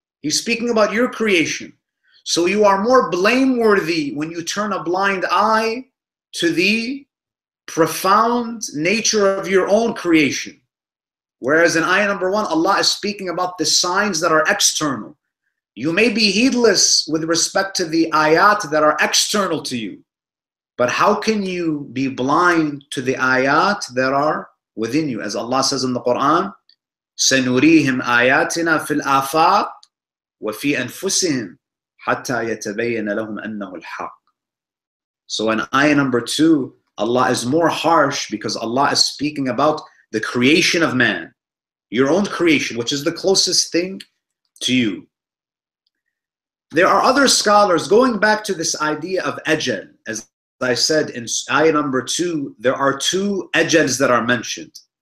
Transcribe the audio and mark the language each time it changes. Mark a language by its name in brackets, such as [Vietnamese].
[English] He's speaking about your creation. So you are more blameworthy when you turn a blind eye to the profound nature of your own creation. Whereas in ayah number 1, Allah is speaking about the signs that are external. You may be heedless with respect to the ayat that are external to you, but how can you be blind to the ayat that are within you? As Allah says in the Quran, [Arabic] سَنُرِيهِمْ آيَاتِنَا فِي الْآفَاقِ وَفِي أَنفُسِهِمْ حَتَّى يَتَبَيَّنَ لَهُمْ أَنَّهُ الْحَقِّ. [English] So in ayah number 2, Allah is more harsh because Allah is speaking about the creation of man, your own creation, which is the closest thing to you. There are other scholars, going back to this idea of ajal, as I said in ayah number 2, there are two ajals that are mentioned.